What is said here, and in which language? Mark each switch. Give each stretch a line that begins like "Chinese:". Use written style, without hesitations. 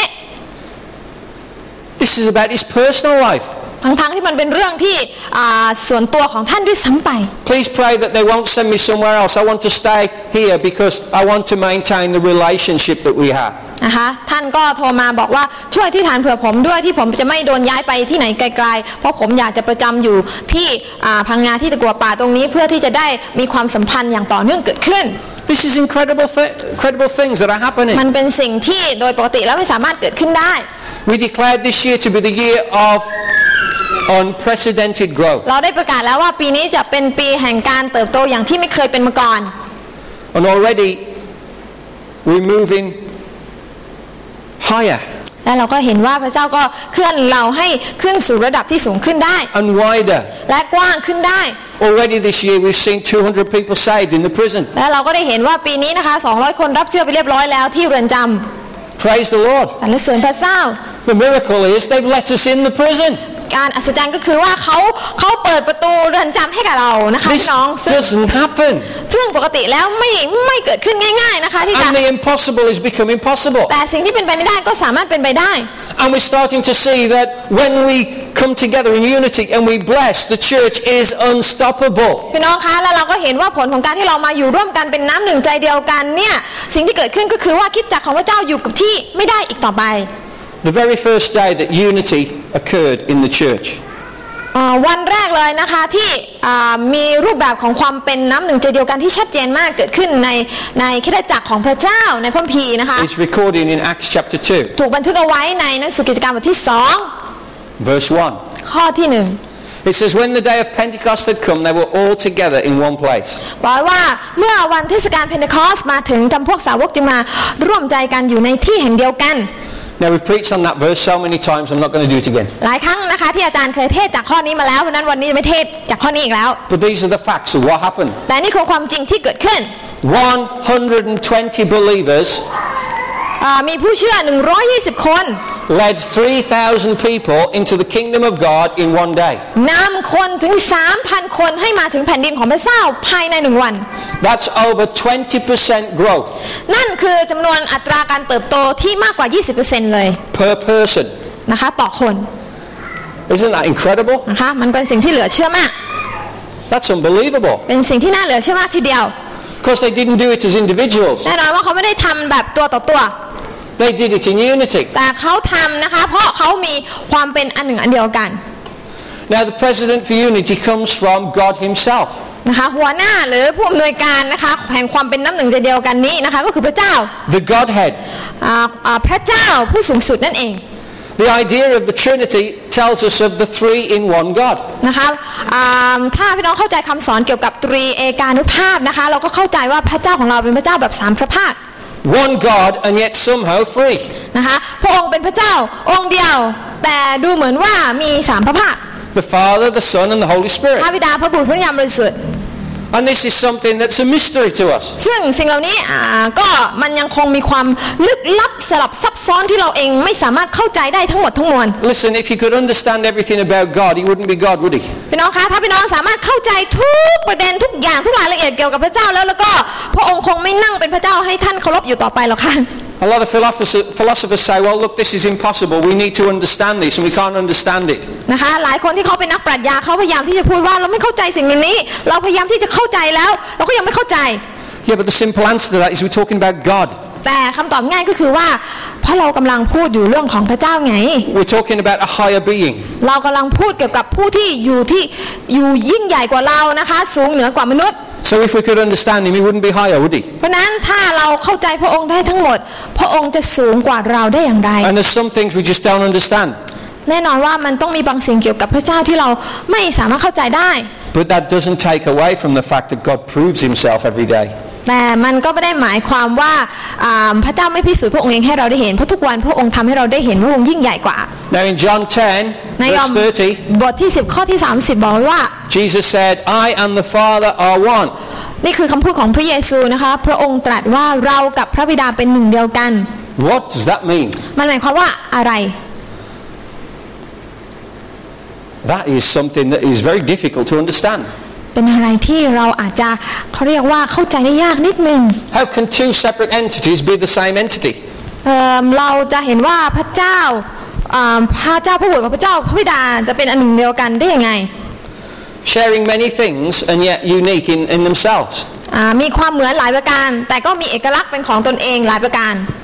English: This is about his personal life
Thai: ทั้งที่มันเป็นเรื่องที่ส่วนตัวของท่านด้วยซ้ำไป
English: Please pray that they won't send me somewhere else I want to stay here because I want to maintain the relationship that we have
Thai: นะคะท่านก็โทรมาบอกว่าช่วยที่ฐานเผื่อผมด้วยที่ผมจะไม่โดนย้ายไปที่ไหนไกลๆเพราะผมอยากจะประจำอยู่ที่พังงาที่ตะกั่วป่าตรงนี้เพื่อที่จะได้มีความสัมพันธ์อย่างต่อเนื่องเกิดขึ้น
English: This is incredible things that are happening
Thai: มันเป็นสิ่งที่โดยปกติแล้วไม่สามารถเกิดขึ้นได้
English: We declared this year to be the year ofunprecedented growth
Thai: เราได้ประกาศแล้วว่าปีนี้จะเป็นปีแห่งการเติบโตอย่างที่ไม่เคยเป็นมาก่อน
English: And already we moving
Thai: และเราก็เห็นว่าพระเจ้าก็เคลื่อนเราให้ขึ้นสู่ระดับที่สูงขึ้นได้
English: And wider
Thai: และกว้างขึ้นได้
English: Already this year we've seen 200 people saved in the prison
Thai: และเราก็ได้เห็นว่าปีนี้นะคะ200คนรับเชื่อไปเรียบร้อยแล้วที่เรือนจำ
English: Praise the Lord
Thai: สรรเสริญพระเจ้า
English: The miracle is they've let us in the prison
Thai: การอัศจรรย์ก็คือว่าเขาเปิดประตูเรือนจำให้กับเรานะคะน้อง ซึ่ง ปกติแล้วไม่เกิดขึ้นง่ายๆนะคะที่จะ
English: And the impossible is become impossible
Thai: แต่สิ่งที่เป็นไปไม่ได้ก็สามารถเป็นไปได้
English: And we're starting to see that when we come together in unity and we bless the church is unstoppable
Thai: พี่น้องคะแล้วเราก็เห็นว่าผลของการที่เรามาอยู่ร่วมกันเป็นน้ำหนึ่งใจเดียวกันเนี่ยสิ่งที่เกิดขึ้นก็คือว่าคริสตจักรของพระเจ้าอยู่กับที่ไม่ได้อีกต่อไป
English: The very first day that unity occurred in the church.
Thai: วันแรกเลยนะคะที่มีรูปแบบของความเป็นน้ำหนึ่งใจเดียวกันที่ชัดเจนมากเกิดขึ้นในคริสตจักรของพระเจ้าในพระคัมภีร์นะคะ
English: It's recorded in Acts chapter 2.
Thai: ถูกบันทึกเอาไว้ในหนังสือกิจการบทที่2
English: Verse 1.
Thai: ข้อที่หนึ่ง
English: It says when the day of Pentecost had come, they were all together in one place.
Thai: บอกว่าเมื่อวันเทศกาลเพนเทคอสต์มาถึงจำพวกสาวกจึงมาร่วมใจกันอยู่ในที่แห่งเดียวกัน
English: Now we've preached on that verse so many times, I'm not going to do it again.
Thai: หลายครั้งนะคะที่อาจารย์เคยเทศจากข้อนี้มาแล้วเพราะนั้นวันนี้จะไม่เทศจากข้อนี้อีกแล้ว
English: But these are the facts of what happened.
Thai: แต่นี่คือความจริงที่เกิดขึ้น
English: 120 believers.
Thai: มีผู้เชื่อ120คน
English: led 3,000 people into the kingdom of God in one day.
Thai: นำคนถึง 3,000 คนให้มาถึงแผ่นดินของพระเจ้าภายใน1วัน
English: That's over 20% growth.
Thai: นั่นคือจำนวนอัตราการเติบโตที่มากกว่า 20% เลย
English: Per person.
Thai: นะคะต่อคน
English: Isn't that incredible?
Thai: นะคะมันเป็นสิ่งที่เหลือเชื่อมาก
English: That's unbelievable.
Thai: เป็นสิ่งที่น่าเหลือเชื่อมากทีเดียว
English: Because they didn't do it as individuals.
Thai: แน่นอนว่าเขาไม่ได้ทำแบบตัวต่อตัว
English: They did it in unity.
Thai: แต่เขาทำนะคะเพราะเขามีความเป็นอันหนึ่งอันเดียวกัน
English: Now the president for unity comes from God himself.
Thai: นะคะหัวหน้าหรือผู้อำนวยการนะคะแห่งความเป็นน้ำหนึ่งใจเดียวกันนี้นะคะก็คือพระเจ้า
English: The Godhead.
Thai: พระเจ้าผู้สูงสุดนั่นเอง
English: The idea of the Trinity tells us of the three in one God.
Thai: นะคะถ้าพี่น้องเข้าใจคำสอนเกี่ยวกับตรีเอกานุภาพนะคะเราก็เข้าใจว่าพระเจ้าของเราเป็นพระเจ้าแบบสามพระภาค
English: One God and yet somehow three.
Thai: นะคะพระองค์เป็นพระเจ้าองค์เดียวแต่ดูเหมือนว่ามีสามพระภาค
English: The Father, the Son, and the Holy Spirit.
Thai: พระบิดาพระบุตรพระวิญญาณบริสุทธิ์
English: And this is something that's a mystery to us.
Thai: ซึ่งสิ่งเหล่านี้ก็มันยังคงมีความลึกลับสลับซับซ้อนที่เราเองไม่สามารถเข้าใจได้ทั้งหมดทั้งมวล
English: Listen if you could understand everything about God he wouldn't be God would he
Thai: พี่น้องคะถ้าพี่น้องสามารถเข้าใจทุกประเด็นทุกอย่างทุกรายละเอียดเกี่ยวกับพระเจ้าแล้วก็พระองค์คงไม่นั่งเป็นพระเจ้าให้ท่านเคารพอยู่ต่อไปหรอกค่ะ
English: A lot of philosophers say well look this is impossible we need to understand this and we can't understand it
Thai: นะคะหลายคนที่เขาเป็นนักปรัชญาเขาพยายามที่จะพูดว่าเราไม่เข้าใจสิ่งนี้เราพยายามที่จะเข้าใจแล้วเราก็ยังไม่เข้าใจ
English: Yeah but the simple answer to that is we're talking about God
Thai: แต่คำตอบง่ายก็คือว่าเพราะเรากำลังพูดอยู่เรื่องของพระเจ้าไง
English: We're talking about a higher being
Thai: เรากำลังพูดเกี่ยวกับผู้ที่อยู่ยิ่งใหญ่กว่าเรานะคะสูงเหนือกว่ามนุษย์
English: So if we could understand him he wouldn't be higher would he
Thai: เพราะนั้นถ้าเราเข้าใจพระองค์ได้ทั้งหมดพระองค์จะสูงกว่าเราได้อย่างไร
English: And there's some things we just don't understand
Thai: แน่นอนว่ามันต้องมีบางสิ่งเกี่ยวกับพระเจ้าที่เราไม่สามารถเข้าใจได้
English: But that doesn't take away from the fact that God proves himself every day
Thai: แต่มันก็ไม่ได้หมายความว่าพระเจ้าไม่พิสูจน์พระองค์เองให้เราได้เห็นเพราะทุกวันพระองค์ทำให้เราได้เห็นว่าองค์ยิ่งใหญ่กว่า
English: Now in John 10 verse 30
Thai: บทที่10ข้อที่30บอกว่า
English: Jesus said I and the Father are one
Thai: นี่คือคำพูดของพระเยซูนะคะพระองค์ตรัสว่าเรากับพระบิดาเป็นหนึ่งเดียวกัน
English: What does that mean
Thai: มันหมายความว่าอะไร
English: That is something that is very difficult to understand
Thai: เป็นอะไรที่เราอาจจะเขาเรียกว่าเข้าใจได้ยากนิดนึง
English: How can two separate entities be the same entity?
Thai: เราจะเห็นว่าพระเจ้าพระเจ้าผู้บุตรกับพระเจ้าพระบิดาจะเป็นอันหนึ่งเดียวกันได้ยังไง
English: Sharing many things and yet unique in themselves.
Thai: มีความเหมือนหลายประการแต่ก็มีเอกลักษณ์เป็นของตนเองหลายประการ